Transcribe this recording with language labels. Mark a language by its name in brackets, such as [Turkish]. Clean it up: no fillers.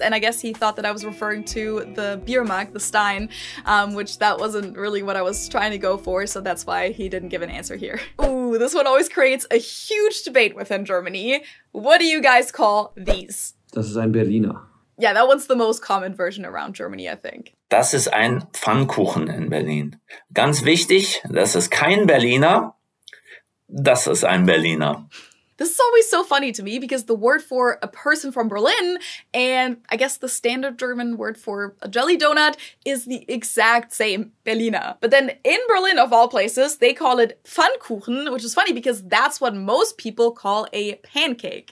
[English] And I guess he thought that I was referring to the beer mug, the Stein, which that wasn't really what I was trying to go for, so that's why he didn't give an answer here. Ooh, this one always creates a huge debate within Germany. What do you guys call these? [German] Das ist ein Berliner. [English] Yeah, that one's the most common version around Germany, I think. [German] Das ist ein Pfannkuchen in Berlin. Ganz wichtig, das ist kein Berliner, das ist ein Berliner. [English] This is always so funny to me because the word for a person from Berlin and I guess the standard German word for a jelly donut is the exact same, Berliner. But then in Berlin, of all places, they call it Pfannkuchen, which is funny because that's what most people call a pancake.